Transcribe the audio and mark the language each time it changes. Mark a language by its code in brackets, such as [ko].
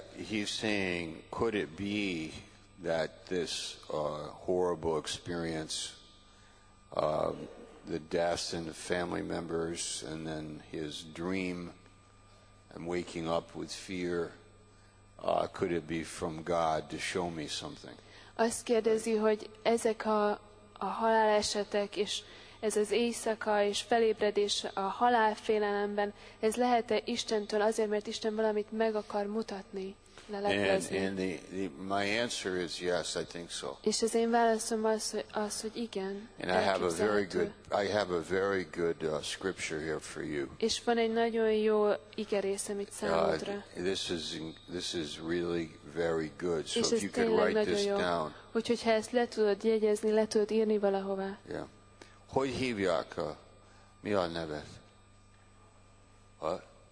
[en] He's saying, could it be that this horrible experience, the deaths and the family members, and then his dream, I'm waking up with fear. Could it be from God to show me something? [hu] Azt kérdezi, hogy ezek a halálesetek és ez az éjszaka és felébredés a halálfélelemben, ez lehet-e Istentől azért, mert Isten valamit meg akar mutatni, leleplezni? [en] And my answer is yes, I think so. [hu] És az én válaszom az, az hogy igen. [en] And I have a very good scripture here for you. [hu] És van egy nagyon jó igerészem itt számodra. [en] This is really very good. So if you could write this down. [hu] Úgyhogy ha ezt le tudod jegyezni, le tudod írni valahová. Yeah. Hogy hívják? Mi a neved? What?